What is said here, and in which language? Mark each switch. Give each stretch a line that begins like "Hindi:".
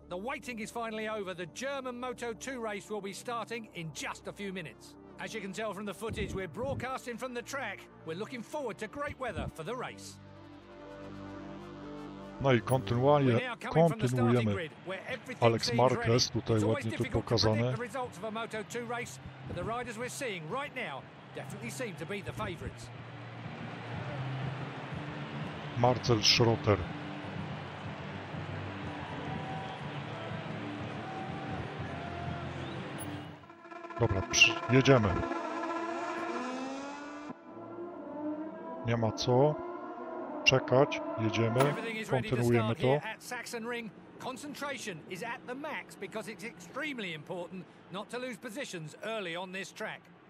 English: The waiting is finally over. The German Moto 2 race will be starting in just a few minutes. As you can tell from the footage, we're broadcasting from the track. We're looking forward to great weather for the race.
Polish: No i kontynuujemy. Alex Marquez tutaj ładnie tu pokazany.
English: The results of a Moto 2 race, but the riders we're seeing right now definitely seem to be the favorites. Marcel Schroeter.
Polish: Dobra, jedziemy. Nie ma co czekać, jedziemy, kontynuujemy to.
English: Concentration is at the max because it's extremely important not to lose positions early on this track.